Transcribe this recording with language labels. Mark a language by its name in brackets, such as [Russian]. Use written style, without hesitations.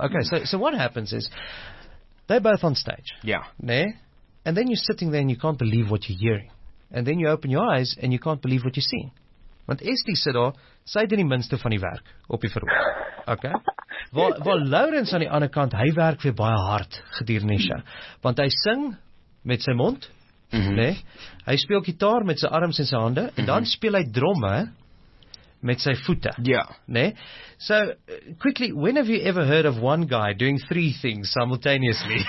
[English] Okay, so what happens is, they're both on stage. Yeah. Né? And then you're sitting there and you can't believe what you're hearing. And then you open your eyes and you can't believe what you're seeing. [Afrikaans] Want Estie sit daar, sy doen die minste van die werk, op die verhoog. Okay? Waar Laurens aan die ander kant, hy werk weer baie hard, gedurende die show. Want hy sing met sy mond, nee, hy speel gitaar met sy arms en sy hande, en dan speel hy dromme met sy voete. Ja. Nee? [English] So, quickly, when have you ever heard of one guy doing three things simultaneously?